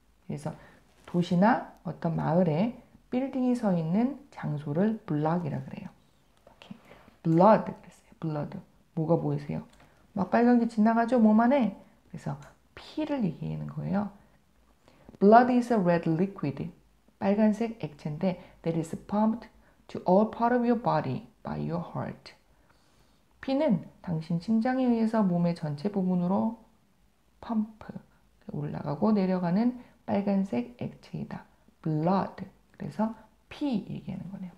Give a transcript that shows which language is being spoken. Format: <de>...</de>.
<ko>그래서 도시나 어떤 마을에 빌딩이 서 있는 장소를 블럭이라 그래요. 블러드 그랬어요. 블러드. 뭐가 보이세요? 막 빨간 게 지나가죠? 몸 안에. 그래서 피를 얘기하는 거예요.</ko> <en>Blood is a red liquid.</en> <ko>빨간색 액체인데</ko> <en>that is pumped to all part of your body by your heart.</en> <ko>피는 당신 심장에 의해서 몸의 전체 부분으로 펌프 올라가고 내려가는 빨간색 액체이다.</ko> <en>Blood.</en> <ko>그래서 피 얘기하는 거네요.</ko>